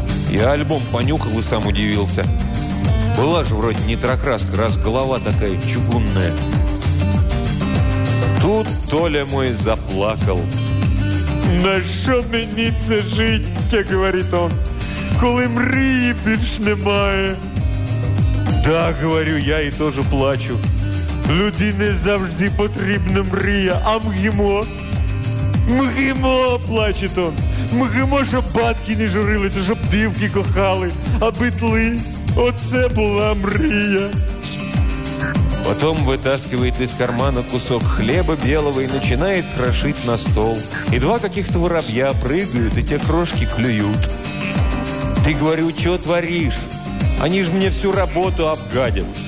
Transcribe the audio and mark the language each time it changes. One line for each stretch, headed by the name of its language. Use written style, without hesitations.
Russian: Я альбом понюхал и сам удивился. Была же вроде нитрокраска, раз голова такая чугунная. Тут Толя мой заплакал. На что мениться жить-то, говорит он, коли мрии больше немає. Да, говорю, я и тоже плачу.
Ukrainian: Людине завжди потрібна мрія, а мгімо? Мгімо,
Russian: плачет он.
Ukrainian: Мгімо, щоб батьки не журилися, щоб дівки кохали, а битли. Оце була мрія.
Russian: Потом вытаскивает из кармана кусок хлеба белого и начинает крошить на стол. И два каких-то воробья прыгают, и те крошки клюют. Ты, говорю, что творишь? Они же мне всю работу обгадят.